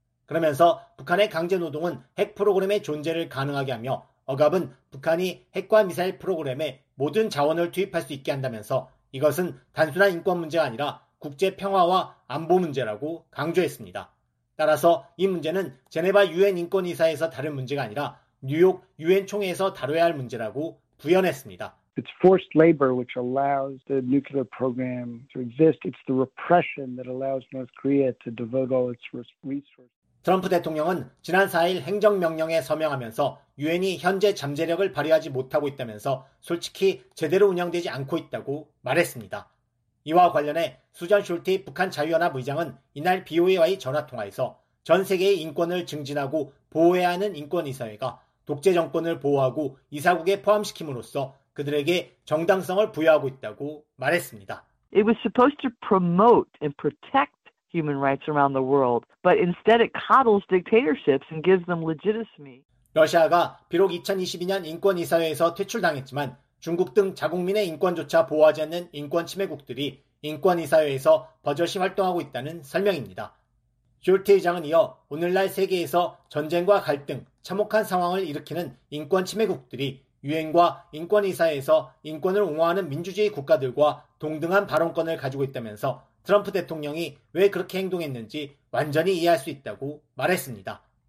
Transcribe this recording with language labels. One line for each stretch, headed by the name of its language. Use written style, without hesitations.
Korean: 그러면서 북한의 강제 노동은 핵 프로그램의 존재를 가능하게 하며 억압은 북한이 핵과 미사일 프로그램에 모든 자원을 투입할 수 있게 한다면서 이것은 단순한 인권 문제가 아니라 국제 평화와 안보 문제라고 강조했습니다. 따라서 이 문제는 제네바 유엔 인권이사회에서 다룰 문제가 아니라 뉴욕 유엔 총회에서 다뤄야 할 문제라고 부연했습니다.
English: It's forced labor which allows the nuclear program to exist. It's the repression that allows North Korea to devote all its resources.
Korean: 트럼프 대통령은 지난 4일 행정명령에 서명하면서 유엔이 현재 잠재력을 발휘하지 못하고 있다면서 솔직히 제대로 운영되지 않고 있다고 말했습니다. 이와 관련해 수잔 숄티 북한 자유연합 의장은 이날 BOA와의 전화통화에서 전 세계의 인권을 증진하고 보호해야 하는 인권이사회가 독재 정권을 보호하고 이사국에 포함시킴으로써 그들에게 정당성을 부여하고 있다고 말했습니다.
English: It was supposed to promote and protect human rights around the world, but instead it coddles dictatorships and gives them legitimacy.
Korean: 러시아가 비록 2022년 인권이사회에서 퇴출당했지만 중국 등 자국민의 인권조차 보호하지 않는 인권 침해국들이 인권이사회에서 버젓이 활동하고 있다는 설명입니다. 쇼트 의장은 이어 오늘날 세계에서 전쟁과 갈등, 참혹한 상황을 일으키는 인권 침해국들이 유엔과 인권이사회에서 인권을 옹호하는 민주주의 국가들과 동등한 발언권을 가지고 있다면서 트럼프 대통령이 왜 그렇게 행동했는지 완전히 이해할 수 있다고 말했습니다.